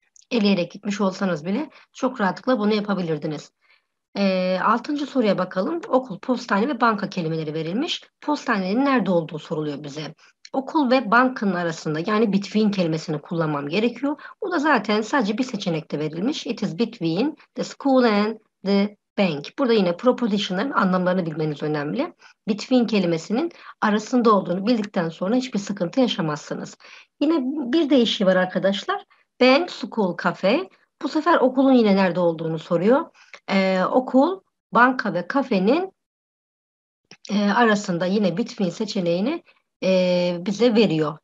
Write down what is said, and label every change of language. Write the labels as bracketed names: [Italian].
[Turkish] Eleyerek gitmiş olsanız bile çok rahatlıkla bunu yapabilirdiniz. Altıncı soruya bakalım. Okul, postane ve banka kelimeleri verilmiş. Postanenin nerede olduğu soruluyor bize. Okul ve bankanın arasında, yani between kelimesini kullanmam gerekiyor. Bu da zaten sadece bir seçenekte verilmiş. [English] It is between the school and the bank. [Turkish] Burada yine prepositionların anlamlarını bilmeniz önemli. Between kelimesinin arasında olduğunu bildikten sonra hiçbir sıkıntı yaşamazsınız. Yine bir değişiği var arkadaşlar. Bank, school, cafe. Bu sefer okulun yine nerede olduğunu soruyor. Okul, banka ve kafenin arasında yine between seçeneğini bize veriyor.